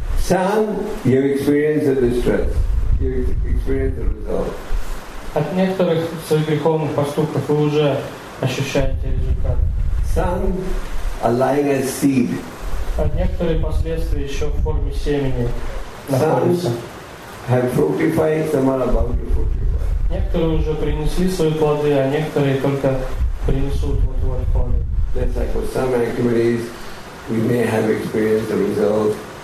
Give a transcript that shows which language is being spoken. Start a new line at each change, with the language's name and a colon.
English: Some you experience the distress. You experience the result.
Russian: От некоторых своих греховных поступков вы уже ощущаете результат.
English: Some are lying as seed.
Russian: От некоторых последствий еще в форме семени находятся.
English: Some have fructified, some are about to fructify.
Russian: Некоторые уже принесли свои плоды, а некоторые только принесут вот ваши плоды.
English: Just like with some activities, we may have experienced the result.